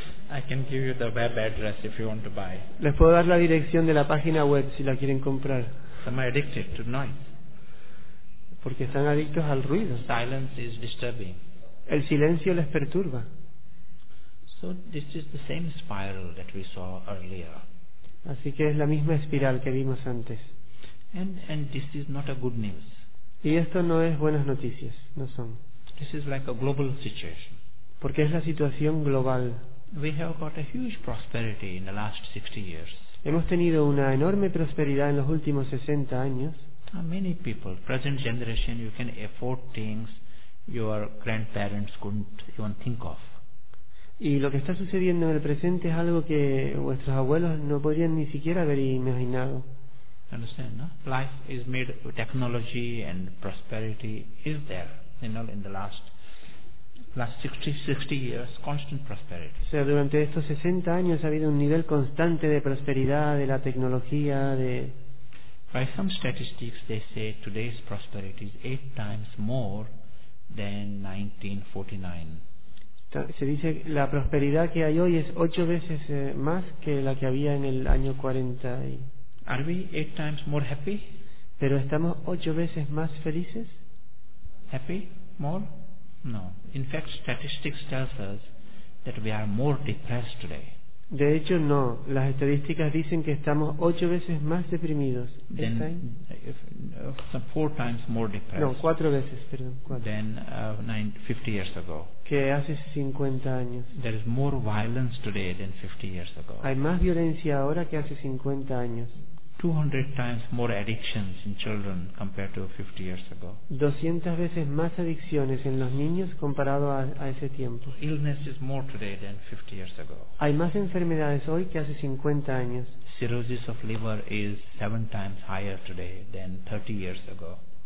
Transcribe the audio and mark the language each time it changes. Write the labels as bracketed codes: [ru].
[en] I can give you the web address if you want to buy. [es] Les puedo dar la dirección de la página web si la quieren comprar. [en] Some are addicted to noise. [es] Porque están adictos al ruido. [en] Silence is disturbing. [es] El silencio les perturba. [en] So this is the same spiral that we saw earlier. [es] Así que es la misma espiral que vimos antes. [en] And this is not a good news. [es] Y esto no es buenas noticias, no son. [en] This is like a global situation. [es] Porque es la situación global. [en] We have got a huge prosperity in the last 60 years. [es] Hemos tenido una enorme prosperidad en los últimos 60 años. [en] Many people, present generation, you can afford things, your grandparents couldn't even think of. [es] Y lo que está sucediendo en el presente es algo que vuestros abuelos no podrían ni siquiera haber imaginado. [en] Understand, no? Life is made of technology and prosperity is there, you know, in the last 60 years, constant prosperity. [es] O sea, durante estos 60 años ha habido un nivel constante de prosperidad, de la tecnología, de... [en] By some statistics they say today's prosperity is 8 times more than 1949. [es] Se dice la prosperidad que hay hoy es 8 veces más que la que había en el año 40. Y... [en] Are we 8 times more happy? [es] ¿Pero estamos 8 veces más felices? [en] Happy? More? No. In fact, statistics tells us that we are more depressed today. [es] De hecho, no. Las estadísticas dicen que estamos 8 veces más deprimidos. [en] Then, some 4 times more depressed. [es] No, 4 veces, perdón. 4. [en] Than 50 years ago. [es] Que hace 50 años. [en] There is more violence today than 50 years ago. [es] Hay más violencia ahora que hace 50 años. [en] 200 times more addictions in children compared to 50 years ago. [es] 200 veces más adicciones en los niños comparado a ese tiempo. [en] Illness is more today than 50 years ago. [es] Hay más enfermedades hoy que hace 50 años. [en] Cirrhosis of liver is 7 times higher today than 30 years ago.